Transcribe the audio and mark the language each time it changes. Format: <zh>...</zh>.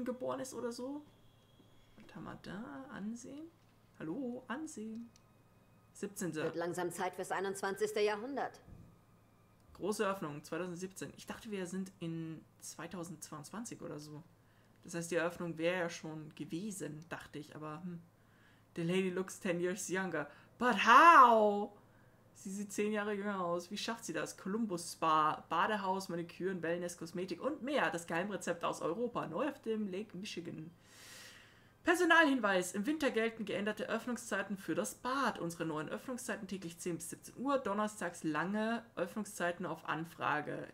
<de>geboren ist oder so. Was haben wir da? Ansehen? Hallo, ansehen. 17. Wird langsam Zeit fürs 21. Jahrhundert. Große Eröffnung, 2017. Ich dachte, wir sind in 2022 oder so. Das heißt, die Eröffnung wäre ja schon gewesen, dachte ich. Aber</de> <en>the lady looks 10 years younger. But how?</en> <de>Sie sieht 10 Jahre jünger aus. Wie schafft sie das? Columbus Spa, Badehaus, Maniküren, Wellness, Kosmetik und mehr. Das Geheimrezept aus Europa. Neu auf dem Lake Michigan. Personalhinweis. Im Winter gelten geänderte Öffnungszeiten für das Bad. Unsere neuen Öffnungszeiten täglich 10 bis 17 Uhr. Donnerstags lange Öffnungszeiten auf Anfrage.</de>